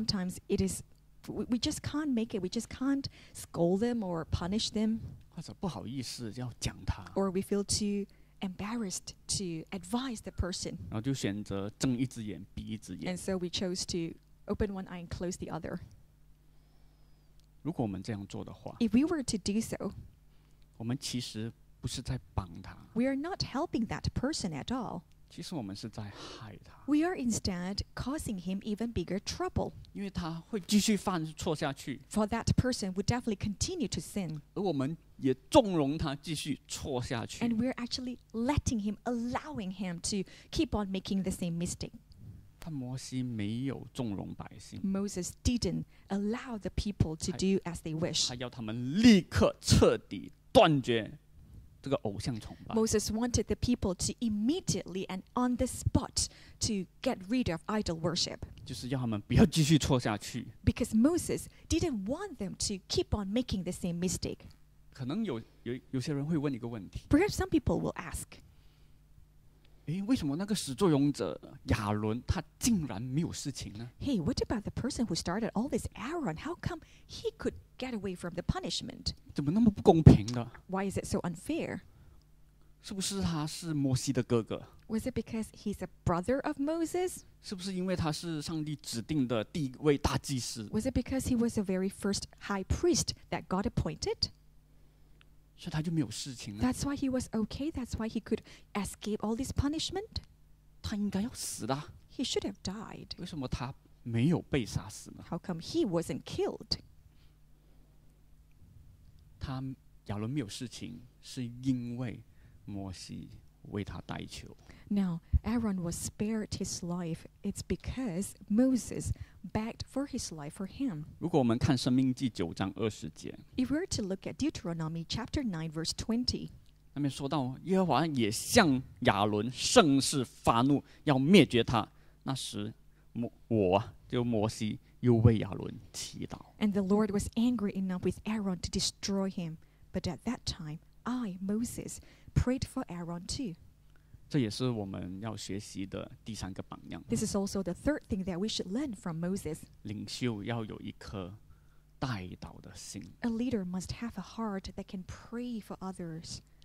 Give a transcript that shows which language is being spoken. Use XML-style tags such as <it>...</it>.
<en>Sometimes it is, we just can't make it. We just can't scold them or punish them。</en> <zh>或者不好意思要讲他。</zh> <en>Or we feel too embarrassed to advise the person。</en> <zh>然后就选择睁一只眼闭一只眼。</zh> <en>And so we chose to open one eye and close the other。</en> <zh>如果我们这样做的话，</zh> <en>If we were to do so,</en> <zh>我们其实不是在帮他。</zh> <en>We are not helping that person at all.</en> <zh>其实我们是在害他。</zh> <en>We are instead causing him even bigger trouble.</en> <zh>因为他会继续犯错下去。</zh> <en>For that person would definitely continue to sin.</en> <zh>而我们也纵容他继续错下去。</zh> <en>And we're actually letting him, allowing him to keep on making the same mistake.</en> <zh>但摩西没有纵容百姓。</zh> <en>Moses didn't allow the people to do as they wish.</en> <zh>他要他们立刻彻底断绝这个偶像崇拜。</zh> <en>Moses wanted the people to immediately and on the spot to get rid of idol worship.</en> <zh>就是要他们不要继续错下去。</zh> <en>Because Moses didn't want them to keep on making the same mistake.</en> <zh>可能有些人会问一个问题。</zh> <en>Perhaps some people will ask.</en> <zh>为什么那个始作俑者亚伦他竟然没有事情呢？</zh> <en>Hey, what about the person who started all this, Aaron? How come he could get away from the punishment?</en> <zh>怎么那么不公平的？</zh> <en>Why is it so unfair?</en> <zh>是不是他是摩西的哥哥？</zh> <en>Was it because he's a brother of Moses?</en> <zh>是不是因为他是上帝指定的第一位大祭司？</zh> <en>Was it because he was the very first high priest that God appointed?</en> <zh>所以他就没有事情了。</zh> <en>That's why he was okay. That's why he could escape all this punishment.</en> <zh>他应该要死的。</zh> <en>He should have died.</en> <zh>为什么他没有被杀死呢？</zh> <en>How come he wasn't killed?</en> <zh>他亚伦没有事情，是因为摩西为他代求。</zh> <en>Now, Aaron was spared his life. It's because Moses begged for his life for him.</en> <zh>如果我们看生命记九章二十节，</zh> <en>If we were to look at Deuteronomy chapter 9 verse 20,</en> <zh>那边说到耶和华也向亚伦甚是发怒，要灭绝他。那时我就摩西又为亚伦祈祷。</zh> <en>And the Lord was angry enough with Aaron to destroy him. But at that time, I, Moses, prayed for Aaron too.</en> <zh>这也是我们要学习的第三个榜样。</zh> <en>This is also the third thing that we should learn from Moses.</en> <zh>领袖要有一颗带祷的心。</zh> <en>A leader must have a heart that can pray for others.</en>